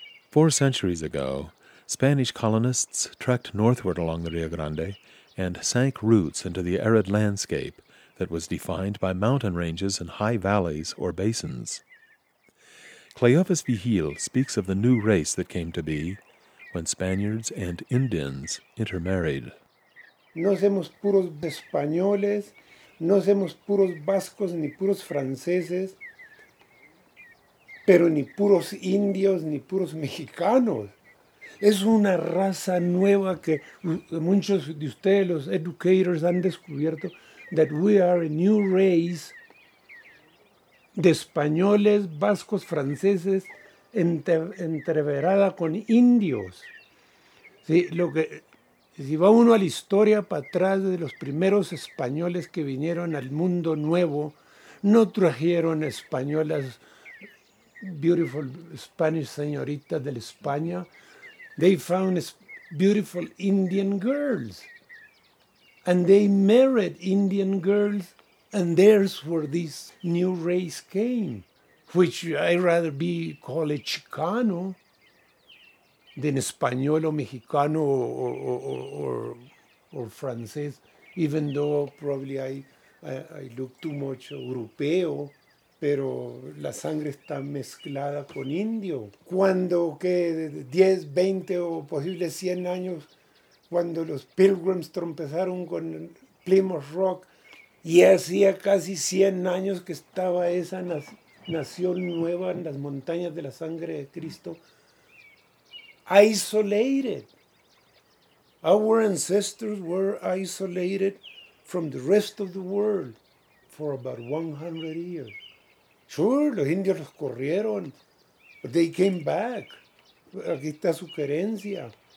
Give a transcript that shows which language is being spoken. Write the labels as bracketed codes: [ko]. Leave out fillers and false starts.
[en] Four centuries ago, Spanish colonists trekked northward along the Rio Grande and sank roots into the arid landscape that was defined by mountain ranges and high valleys or basins. Cleofas Vigil speaks of the new race that came to be when Spaniards and Indians intermarried. [es] No somos puros españoles, no somos puros vascos, ni puros franceses, pero ni puros indios, ni puros mexicanos. Es una raza nueva que muchos de ustedes, los educators, han descubierto, [en] that we are a new race [es] de españoles, vascos, franceses, entreverada con indios. Sí, lo que, si va uno a la historia para atrás de los primeros españoles que vinieron al mundo nuevo, no trajeron españolas, [en] beautiful Spanish señoritas [es] de la España. [en] They found beautiful Indian girls. And they married Indian girls, and there's where this new race came, which I'd rather be called a Chicano than Español or Mexicano or Frances, even though probably I look too much europeo, [es] pero la sangre está mezclada con indio. Cuando que 10, 20 o posible 100 años, cuando los pilgrims trompezaron con Plymouth Rock, y hacía casi 100 años que estaba esa nación nueva en las montañas de la sangre de Cristo, isolated. [en] Our ancestors were isolated from the rest of the world for about 100 years. Sure, [es] los indios los corrieron, [en] but they came back. [es] Aquí está su querencia.